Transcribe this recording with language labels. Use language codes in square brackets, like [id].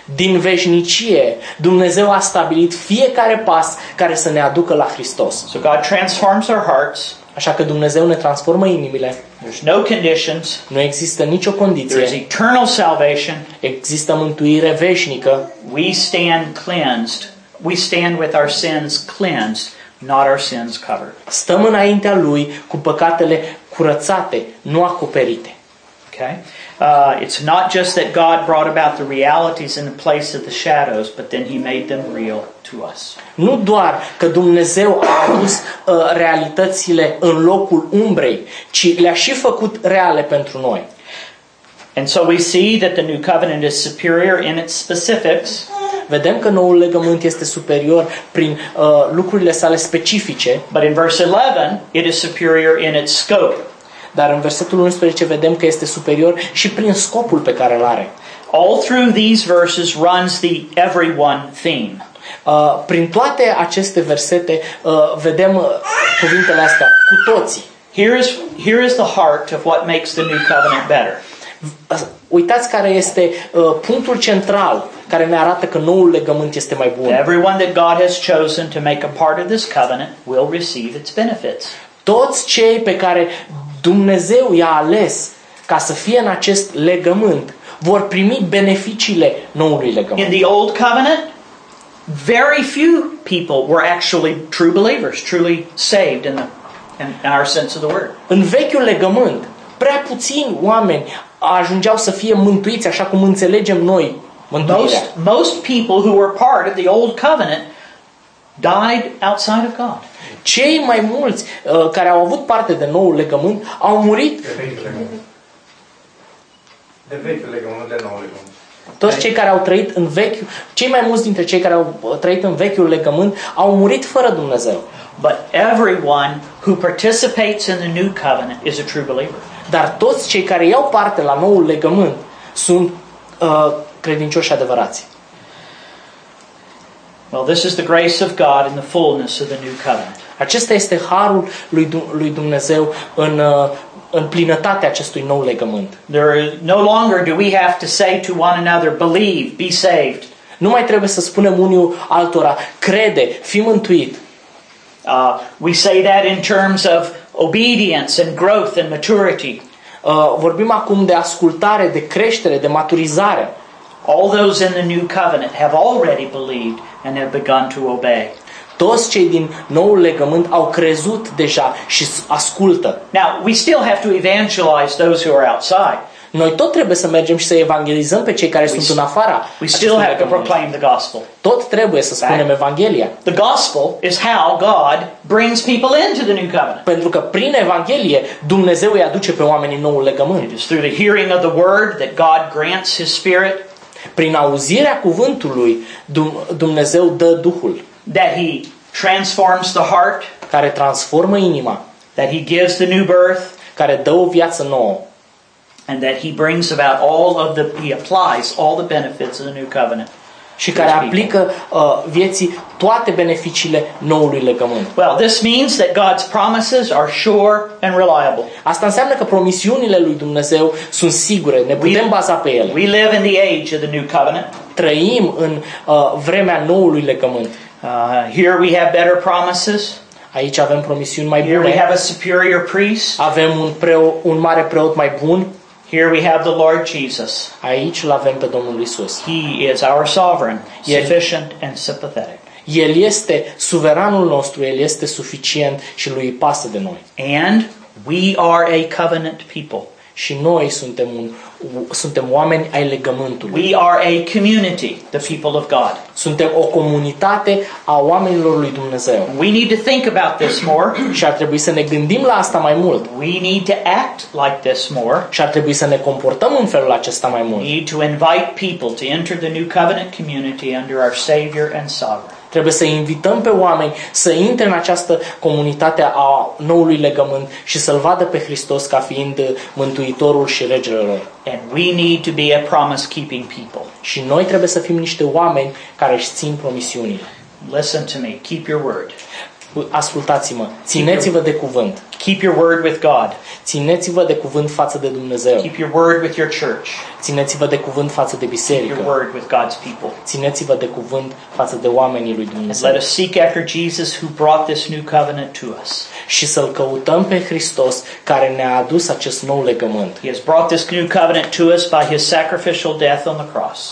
[ro] Din veșnicie, Dumnezeu a stabilit fiecare pas care să ne aducă la Hristos. [en] So God transforms our hearts. [ro] Așa că Dumnezeu ne transformă inimile. [en] There's no conditions. [ro] Nu există nicio condiție. [en] There is eternal salvation. [ro] Există mântuire veșnică. [en] We stand cleansed. We stand with our sins cleansed, not our sins covered. [ro] Stăm înaintea lui cu păcatele curățate, nu acoperite. [en] Okay? It's not just that God brought about the realities in the place of the shadows, but then he made them real to us. [ro] Nu doar că Dumnezeu a adus realitățile în locul umbrei, ci le-a și făcut reale pentru noi. [en] And so we see that the new covenant is superior in its specifics. [ro] Vedem că noul legământ este superior prin lucrurile sale specifice. [en] But in verse 11, it is superior in its scope. [ro] Dar în versetul 11 vedem că este superior și prin scopul pe care îl are. [en] All through these verses runs the everyone theme. [ro] Prin toate aceste versete vedem cuvintele astea, cu toții. [en] Here is the heart of what makes the new covenant better. [ro] Uitați care este punctul central care ne arată că noul legământ este mai bun. [en] Everyone that God has chosen to make a part of this covenant will receive its benefits. [ro] Toți cei pe care Dumnezeu i-a ales ca să fie în acest legământ vor primi beneficiile noului legământ. [en] In the old covenant, very few people were actually true believers, truly saved in our sense of the word. [ro] În vechiul legământ, prea puțini oameni ajungeau să fie mântuiți așa cum înțelegem noi mântuirea. [en] Most people who were part of the old covenant died outside of God. [ro] Cei mai mulți care au avut parte de noul legământ au murit De vechiul legământ, de noul legământ. Toți cei care au trăit în vechiul, cei mai mulți dintre cei care au trăit în vechiul legământ au murit fără Dumnezeu. [en] But everyone who participates in the new covenant is a true believer. [ro] Dar toți cei care iau parte la noul legământ sunt credincioși adevărați. [en] Well, this is the grace of God in the fullness of the new covenant. [ro] Acesta este harul lui Dumnezeu în în plinătatea acestui nou legământ. [en] There is, no longer do we have to say to one another, believe, be saved. [ro] Nu mai trebuie să spunem unii altora, crede, fii mântuit. [en] We say that in terms of obedience and growth and maturity. [ro] Vorbim acum de ascultare, de creștere, de maturizare. [en] All those in the new covenant have already believed and have begun to obey. [ro] Toți cei din noul legământ au crezut deja și ascultă. [en] Now, we still have to evangelize those who are outside. [ro] Noi tot trebuie să mergem și să evangelizăm pe cei care sunt în afara. [en] We still have to proclaim the gospel. [ro] Tot trebuie să spunem evanghelia. [en] The gospel is how God brings people into the new covenant. [ro] Pentru că prin evanghelie Dumnezeu îi aduce pe oamenii în noul legământ. [en] It is through the hearing of the word that God grants his spirit. [ro] Prin auzirea cuvântului Dumnezeu dă Duhul. [en] That he transforms the heart, [ro] care transformă inima, [en] that he gives the new birth, [ro] care dă o viață nouă, [en] and that he brings about all of the, he applies all the benefits of the new covenant, [ro] și care aplică vieții toate beneficiile noului legământ. [en] Well, this means that God's promises are sure and reliable. [ro] Asta înseamnă că promisiunile lui Dumnezeu sunt sigure, ne putem baza pe ele. [en] We live in the age of the new covenant. [ro] Trăim în vremea noului legământ. [en] Here we have better promises. [ro] Aici avem promisiuni mai bune. [en] Here we have a superior priest. [ro] Avem un mare preot mai bun. [en] Here we have the Lord Jesus. [ro] Aici l-avem pe Domnul Iisus. [en] He is our sovereign, sufficient and sympathetic. [ro] El este suveranul nostru, el este suficient și lui îi pasă de noi. [en] And we are a covenant people. [ro] Și noi suntem oameni ai legământului. [en] We are a community, the people of God. [ro] Suntem o comunitate a oamenilor lui Dumnezeu. [en] We need to think about this more. [ro] Și ar trebui să ne gândim la asta mai mult. [en] We need to act like this more. [ro] Și ar trebui să ne comportăm în felul acesta mai mult. [en] We need to invite people to enter the new covenant community under our Savior and Sovereign. [ro] Trebuie să invităm pe oameni să intre în această comunitate a noului legământ și să-L vadă pe Hristos ca fiind Mântuitorul și Regele lor. [en] And we need to be a promise-keeping people. [ro] Și noi trebuie să fim niște oameni care își țin promisiunile. [en] Listen to me. Keep your word. [ro] Ascultați-mă. Țineți-vă de cuvânt. [en] Keep your word with God. [ro] Țineți-vă de cuvânt față de Dumnezeu. [en] Keep your word with your church. [ro] Țineți-vă de cuvânt față de biserică. [en] Keep your word with God's people. [ro] Țineți-vă de cuvânt față de oamenii lui Dumnezeu. [en] Let us seek after Jesus who brought this new covenant to us. [ro] Și să-L căutăm pe Hristos care ne-a adus acest nou legământ. [en] He has brought this new covenant to us by his sacrificial death on the cross.